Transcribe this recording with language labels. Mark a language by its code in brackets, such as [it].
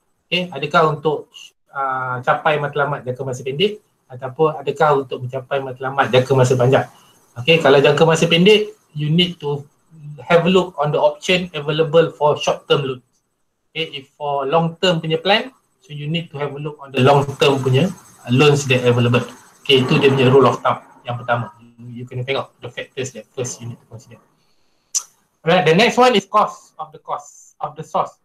[ms] Okay, adakah untuk capai matlamat jangka masa pendek, ataupun adakah untuk mencapai matlamat jangka masa panjang? [en] Okay, [ms] kalau jangka masa pendek, [en] you need to have a look on the option available for short-term loan. Okay, if for long-term punya plan, so you need to have a look on the long-term punya loans that are available. [ms] Okay, itu dia punya rule of thumb yang pertama. [en] You [ms] kena tengok [en] the factors that first you need to consider. Alright, the next one is cost of the source.